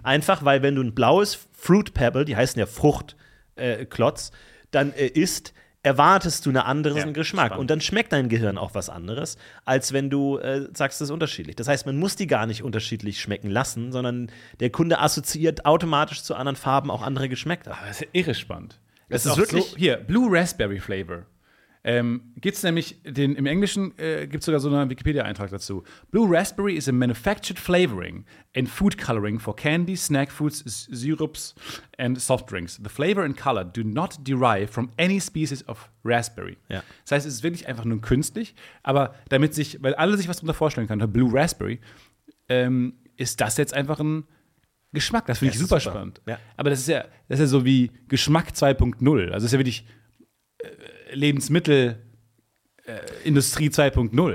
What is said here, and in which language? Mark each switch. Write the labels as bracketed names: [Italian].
[German] Einfach, weil wenn du ein blaues Fruit Pebble, die heißen ja Fruchtklotz, dann isst, erwartest du einen anderen, ja, Geschmack, spannend. Und dann schmeckt dein Gehirn auch was anderes, als wenn du sagst, es ist unterschiedlich. Das heißt, man muss die gar nicht unterschiedlich schmecken lassen, sondern der Kunde assoziiert automatisch zu anderen Farben auch andere Geschmäcker. Das ist irre spannend. Das ist wirklich so, hier, Blue Raspberry Flavor. Gibt es nämlich, im Englischen gibt es sogar so einen Wikipedia-Eintrag dazu. [English] Blue Raspberry is a manufactured flavoring and food coloring for candy, snack foods, syrups and soft drinks. The flavor and color do not derive from any species of raspberry. [German] Ja. Das heißt, es ist wirklich einfach nur künstlich, aber damit sich, weil alle sich was darunter vorstellen können, Blue Raspberry, ist das jetzt einfach ein Geschmack. Das finde ich super spannend. Ja. Aber das ist ja so wie Geschmack 2.0. Also das ist ja wirklich Lebensmittelindustrie 2.0.